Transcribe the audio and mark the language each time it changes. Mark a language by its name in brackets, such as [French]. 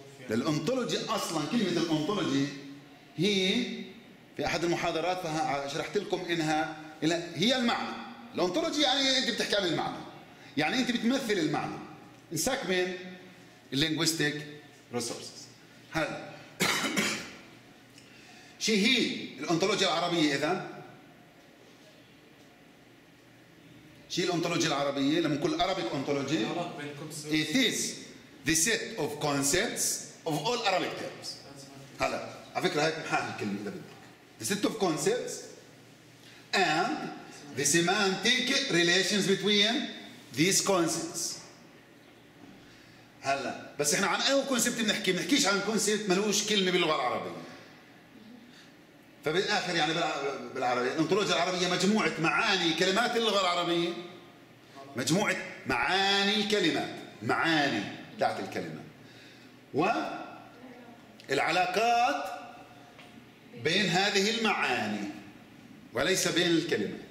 [Arabic] الانطولوجي اصلا كلمه الانطولوجي هي في احد المحاضرات شرحت لكم انها هي المعنى، الانطولوجي يعني انت بتحكي عن المعنى، يعني انت بتمثل المعنى. انساك من اللينغويستيك ريسورسز. هل شي هي الانطولوجيا العربية؟ اذا شي الانطولوجيا العربية لما نقول [English] Arabic ontology، it is the set of concepts of all Arabic terms. [Arabic] هلا على فكرة هيك محاها الكلمة اذا بدك، [English] the set of concepts and the semantic relations between these concepts. [Arabic] هلا بس احنا عن اي كونسبت بنحكي؟ بنحكيش عن كونسبت ملوش كلمة باللغة العربية. فبالاخر يعني بالعربية الانطولوجيا العربية مجموعة معاني كلمات اللغة العربية، مجموعة معاني الكلمات، معاني تاعت الكلمة والعلاقات بين هذه المعاني وليس بين الكلمات.